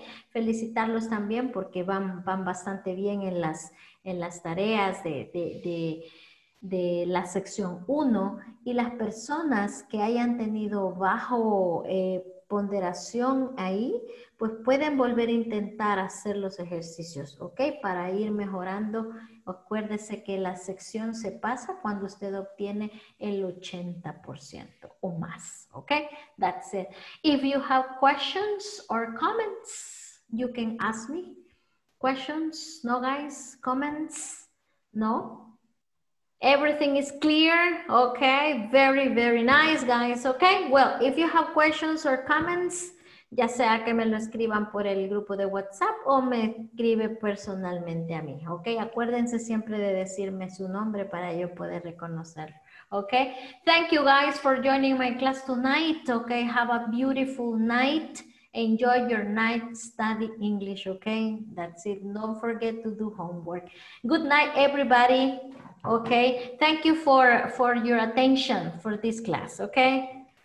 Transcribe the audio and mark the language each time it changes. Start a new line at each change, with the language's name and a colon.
Spanish: Felicitarlos también porque van bastante bien en las tareas de la sección 1, y las personas que hayan tenido bajo ponderación ahí, pues pueden volver a intentar hacer los ejercicios, ¿ok? Para ir mejorando. Acuérdese que la sección se pasa cuando usted obtiene el 80% o más, ¿ok?
English: That's it. If you have questions or comments, you can ask me. Questions? No, guys? Comments? No? Everything is clear? Okay. Very, very nice, guys. Okay. Well, if you have questions or comments,
Spanish: ya sea que me lo escriban por el grupo de WhatsApp o me escribe personalmente a mí. Okay. Acuérdense siempre de decirme su nombre para yo poder reconocerlo.
English: Okay. Thank you, guys, for joining my class tonight. Okay. Have a beautiful night. Enjoy your night, study English, okay? That's it. Don't forget to do homework. Good night, everybody, okay? Thank you for your attention for this class, okay?